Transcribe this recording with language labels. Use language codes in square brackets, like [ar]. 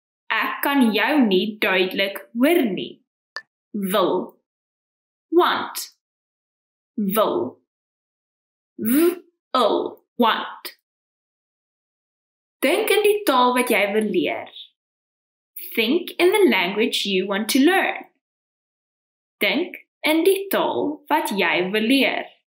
[af] Ek kan jou nie duidelik hoor nie. Wil. [en] Want. [af] Wil. Wil. [en] Want. [af] Dink in die taal wat jy wil leer. [en] Think in the language you want to learn. [af] Dink in die taal wat jy wil leer.